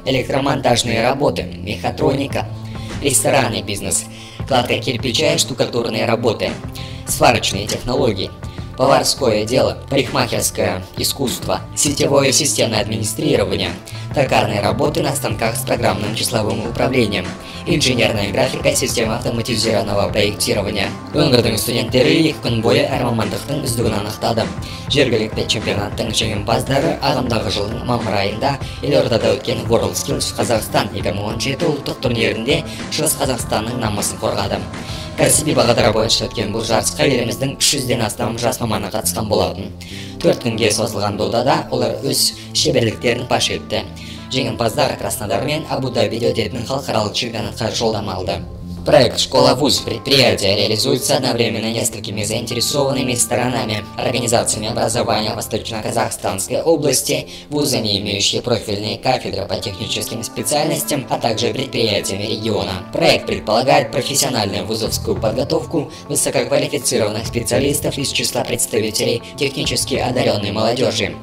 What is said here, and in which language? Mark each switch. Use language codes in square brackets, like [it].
[ru] Электромонтажные работы, мехатроника, ресторанный бизнес, кладка кирпича и штукатурные работы, сварочные технологии, поварское дело, парикмахерское искусство, сетевое системное администрирование, токарные работы на станках с программным числовым управлением, инженерная графика системы автоматизированного проектирования. [kk] Өңірдің студенттері екі күн бойы армамандықтың үздігін анықтады. Жергілікті чемпионаттың жеңімпаздары ағымдағы жылдың мамыр айында Елордада өткен WorldSkills Қазақстан 2017 ұлттық турнирінде Шығыс Қазақстанның намысын қорғады. Кәсіби бағдар бойынша өткен бұл жарысқа еліміздің 300-ден астам жас маманы қатысқан болатын. 4 күнге созылған додада олар өз шеберліктерін паш етті. Жеңімпаздар Краснодар мен Абу-Дабиде өтетін халықаралық чемпионатқа жолдама алды. [ru] Проект «Школа-вуз» предприятия реализуется одновременно несколькими заинтересованными сторонами, организациями образования Восточно-Казахстанской области, вузами, имеющие профильные кафедры по техническим специальностям, а также предприятиями региона. Проект предполагает профессиональную вузовскую подготовку высококвалифицированных специалистов из числа представителей технически одаренной молодежи.